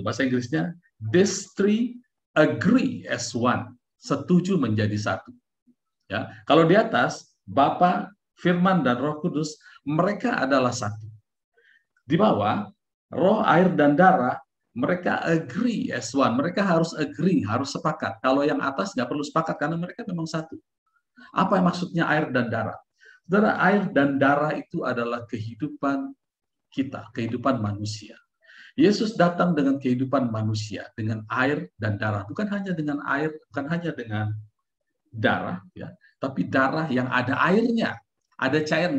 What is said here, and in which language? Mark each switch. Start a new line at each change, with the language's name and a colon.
Indonesian: Bahasa Inggrisnya,
English: these three agree as one.
Indonesian: Setuju menjadi satu. Ya. Kalau di atas, Bapa, Firman, dan Roh Kudus, mereka adalah satu. Di bawah, roh, air, dan darah, mereka
English: agree as one.
Indonesian: Mereka harus agree, harus sepakat. Kalau yang atas nggak perlu sepakat, karena mereka memang satu. Apa yang maksudnya air dan darah? Saudara, air dan darah itu adalah kehidupan kita, kehidupan manusia. Yesus datang dengan kehidupan manusia, dengan air dan darah. Bukan hanya dengan air, bukan hanya dengan darah, ya, tapi darah yang ada airnya, ada cairan.